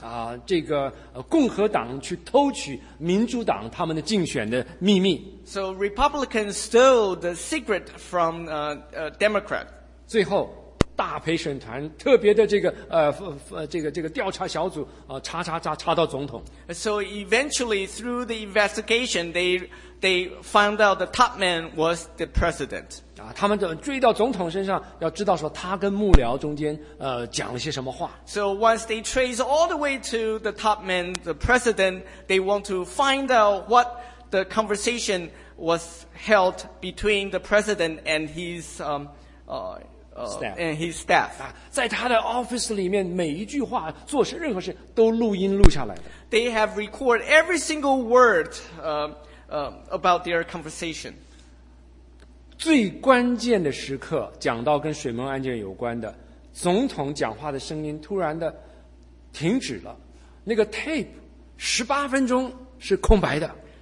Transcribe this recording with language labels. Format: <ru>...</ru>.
<zh>啊，这个共和党去偷取民主党他们的竞选的秘密。</zh> <en>So Republicans stole the secret from Democrat.</en> <zh>最后。大陪审团特别的这个调查小组查到总统。</zh> <en>So eventually through the investigation, they found out the top man was the president.</en> <zh>啊，他们追到总统身上，要知道说他跟幕僚中间讲了些什么话。</zh> <en>So once they trace all the way to the top man, the president, they want to find out what the conversation was held between the president and his staff. And his staff.</en> <zh>在他的 office 里面每一句话做事任何事都录音录下来的。</zh> <en>They have recorded every single word about their conversation.</en> <zh>最关键的时刻讲到跟水门案件有关的总统讲话的声音突然的停止了。那个 tape, 18分钟是空白的。</zh>